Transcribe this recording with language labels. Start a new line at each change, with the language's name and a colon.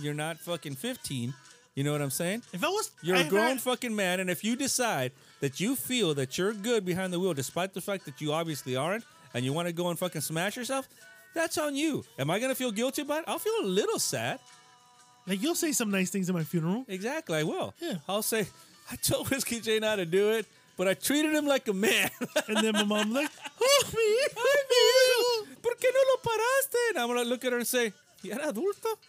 English: You're not fucking 15. You know what I'm saying? Fucking man, and if you decide that you feel that you're good behind the wheel, despite the fact that you obviously aren't, and you want to go and fucking smash yourself, that's on you. Am I going to feel guilty about it? I'll feel a little sad. Like, you'll say some nice things at my funeral. Exactly, I will. Yeah. I'll say, I told Whiskey J not to do it, but I treated him like a man. And then my mom's like, oh,
Spanish: mi hijo, ay, mi hijo. ¿Por qué no lo paraste?
English: And I'm going to look at her and say,
Spanish: ¿y era adulto?